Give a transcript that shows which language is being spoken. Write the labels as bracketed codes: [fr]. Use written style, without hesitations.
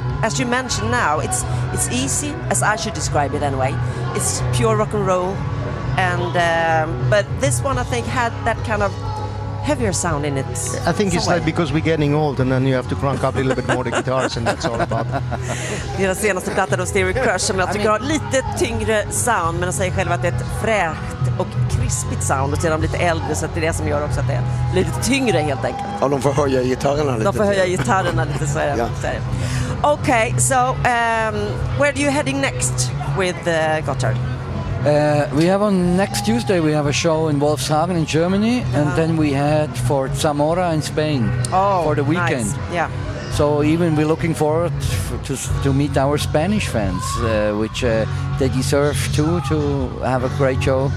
[en] As you mentioned now, it's easy, as I should describe it anyway. It's pure rock and roll, and but this one I think had that kind of heavier sound in it. I think it's like because we're getting old, and then you have to crank up a little bit more the guitars, and that's all about. [sv] Vi har senaste plattan av Stereo Crush som jag tycker har lite tyngre sound, men jag säger själv att det är ett fräckt och krispigt sound, och sedan lite äldre, så att det är det som gör också att det är lite tyngre helt enkelt. Ja, de får höja gitarrerna lite. De får höja gitarrerna lite, så är det. Ja. [en] Okay, so where are you heading next with Gotthard? We have on next Tuesday, we have a show in Wolfshagen in Germany, and then we head for Zamora in Spain for the weekend. Nice. Yeah. So even we're looking forward to meet our Spanish fans, which they deserve to have a great show.